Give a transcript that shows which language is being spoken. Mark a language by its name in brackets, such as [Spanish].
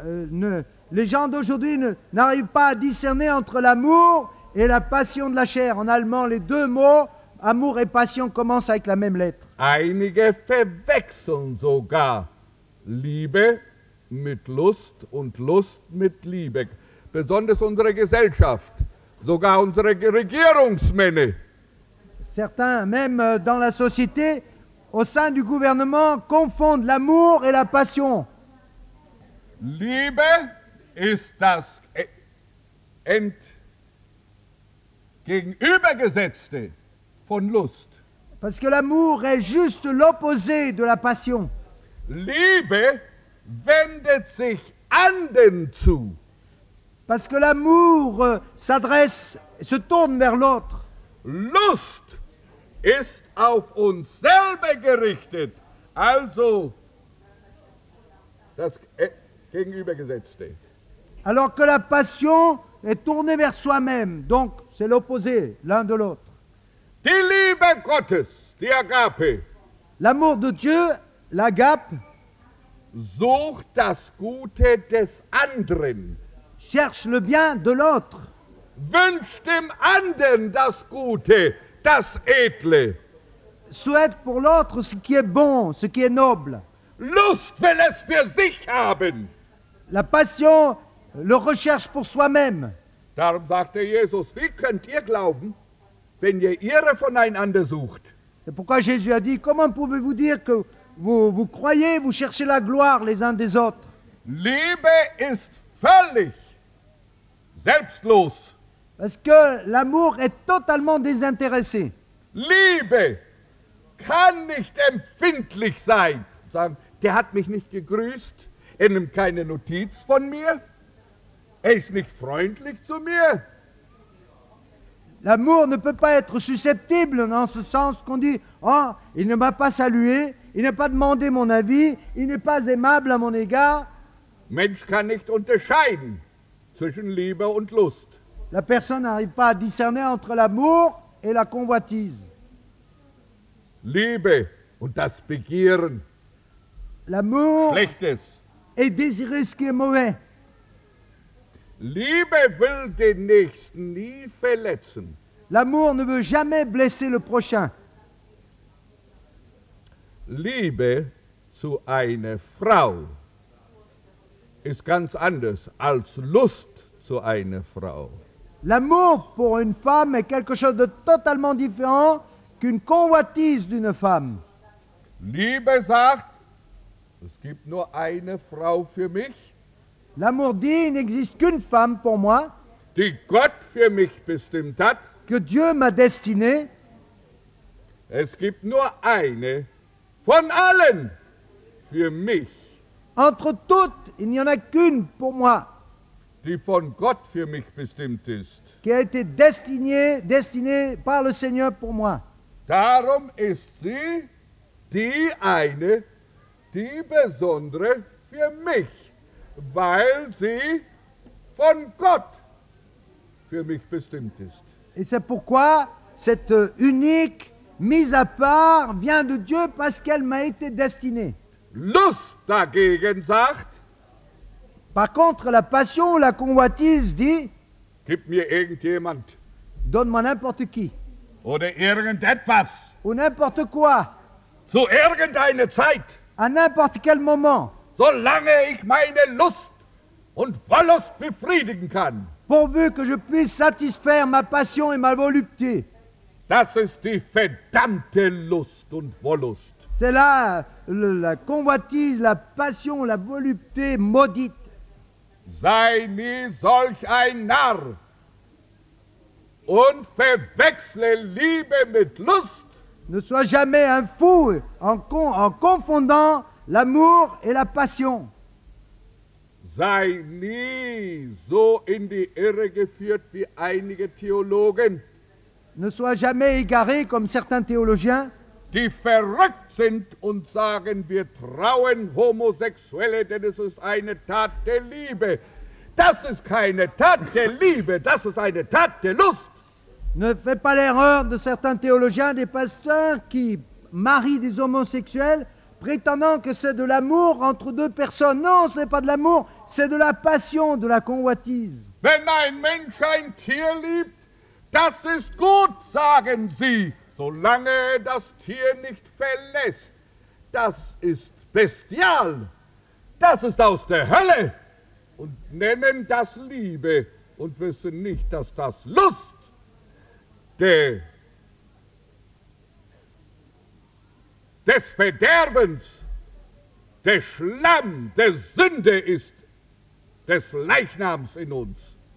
[French] Ne, les gens d'aujourd'hui n'arrivent pas à discerner entre l'amour et la passion de la chair. En allemand, les deux mots, amour et passion, commencent avec la même lettre. [German] Einige verwechseln sogar Liebe mit Lust und Lust mit Liebe. Besonders unsere Gesellschaft, sogar unsere Regierungsmänner. [French] Certains, même dans la société, au sein du gouvernement, confondent l'amour et la passion. [German] Liebe ist das Entgegengesetzte von Lust. [French] Parce que l'amour est juste l'opposé de la passion. [German] Liebe wendet sich anderen zu. [French] Parce que l'amour s'adresse, se tourne vers l'autre. [German] Lust ist auf uns selber gerichtet, also das Gegenübergesetzte. [French] Alors que la passion est tournée vers soi-même, donc c'est l'opposé l'un de l'autre. [German] Die Liebe Gottes, die Agape. [French] L'amour de Dieu, l'agape, [German] sucht das Gute des anderen. [French] Cherche le bien de l'autre. [German] Wünsche dem anderen das Gute, das Edle. [French] Souhaite pour l'autre ce qui est bon, ce qui est noble. [German] Lust will es für sich haben. [French] La passion le recherche pour soi-même. [German] Darum sagte Jesus, wie könnt ihr glauben, wenn ihr Ehre voneinander sucht? [French] C'est pourquoi Jésus a dit, comment pouvez-vous dire que vous croyez, vous cherchez la gloire les uns des autres? [German] Liebe ist völlig selbstlos. [French] Parce que l'amour est totalement désintéressé. [German] Liebe kann nicht empfindlich sein. Sagen, der hat mich nicht gegrüßt, er nimmt keine Notiz von mir, er ist nicht freundlich zu mir. [French] L'amour ne peut pas être susceptible dans ce sens qu'on dit, oh, il ne m'a pas salué, il n'a pas demandé mon avis, il n'est pas aimable à mon égard. [German] Mensch kann nicht unterscheiden zwischen Liebe und Lust. [French] La personne n'arrive pas à discerner entre l'amour et la convoitise. [German] Liebe und das Begehren. [French] L'amour [German] Schlechtes. [French] Et désirer ce qui est mauvais. [German] Liebe will den Nächsten nie verletzen. [French] L'amour ne veut jamais blesser le prochain. [German] Liebe zu einer Frau ist ganz anders als Lust zu einer Frau. [French] L'amour pour une femme est quelque chose de totalement différent qu'une convoitise d'une femme. [German] Liebe sagt, es gibt nur eine Frau für mich. [French] L'amour dit, il n'existe qu'une femme pour moi. [German] Die Gott für mich bestimmt hat. [French] Que Dieu m'a destiné. [German] Es gibt nur eine von allen für mich. [French] Entre toutes, il n'y en a qu'une pour moi. [German] Die von Gott für mich bestimmt ist. [French] Qui a été destinée par le Seigneur pour moi. [German] Darum ist sie die eine, die besondere für mich, weil sie von Gott für mich bestimmt ist. [French] Et c'est pourquoi cette unique mise à part vient de Dieu parce qu'elle m'a été destinée. [German] Lust dagegen sagt, [French] par contre, la passion ou la convoitise dit, [German] gib mir irgendjemand. [French] Donne-moi n'importe qui. [German] Oder irgendetwas. [French] Ou n'importe quoi. [German] Zu irgendeiner Zeit. [French] À n'importe quel moment. [German] Solange ich meine Lust und Wollust befriedigen kann. [French] Pourvu que je puisse satisfaire ma passion et ma volupté. [German] Das ist die verdammte Lust und Wollust. [French] C'est là la convoitise, la passion, la volupté maudite. [German] Sei nie solch ein Narr und verwechsle Liebe mit Lust. [French] Ne sois jamais un fou en confondant l'amour et la passion. [German] Sei nie so in die Irre geführt wie einige Theologen. [French] Ne sois jamais égaré comme certains théologiens. [German] Die verrückt sind und sagen, wir trauen Homosexuelle, denn es ist eine Tat der Liebe. Das ist keine Tat der Liebe, das ist eine Tat der Lust. [French] Ne fais pas l'erreur de certains théologiens, des pasteurs qui marient des homosexuels, prétendant que c'est de l'amour entre deux personnes. Non, ce n'est pas de l'amour, c'est de la passion, de la convoitise. [German] Wenn ein Mensch ein Tier liebt, das ist gut, sagen sie, solange das Tier nicht verlässt. Das ist bestial, das ist aus der Hölle und nennen das Liebe und wissen nicht, dass das Lust des Verderbens, der Schlamm, der Sünde ist, des Leichnams in uns.